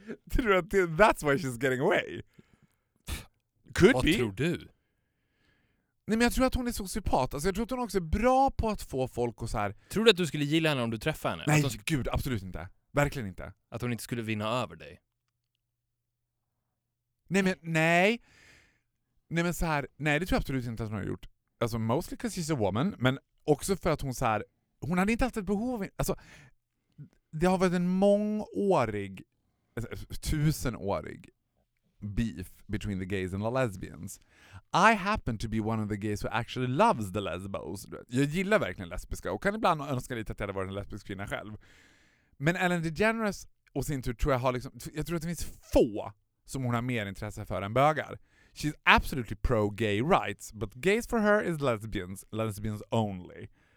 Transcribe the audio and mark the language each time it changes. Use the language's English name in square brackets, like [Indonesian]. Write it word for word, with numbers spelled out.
[Swedish] Tror du att [English] that's why she's getting away? Could [Swedish] Vad [English] be. [Swedish] Tror du? Nej, men jag tror att hon är sociopat. Alltså, jag tror att hon också är bra på att få folk och så här... Tror du att du skulle gilla henne om du träffade henne? Nej, hon... gud, absolut inte. Verkligen inte. Att hon inte skulle vinna över dig? Nej, men nej. Nej, men så här... Nej, det tror jag absolut inte att hon har gjort. Alltså, [English] mostly because she's a woman. [Swedish] Men också för att hon så här... Hon hade inte haft ett behov... Alltså, det har varit en mångårig, tusenårig [English] beef between the gays and the lesbians. I happen to be one of the gays who actually loves the lesbos. [Swedish] Jag gillar verkligen lesbiska och kan ibland önska lite att jag hade varit en lesbisk kvinna själv. Men Ellen DeGeneres och sin tur tror jag har liksom... Jag tror att det finns få som hon har mer intresse för än bögar. [English] She's absolutely pro-gay rights, but gays for her is lesbians, lesbians only.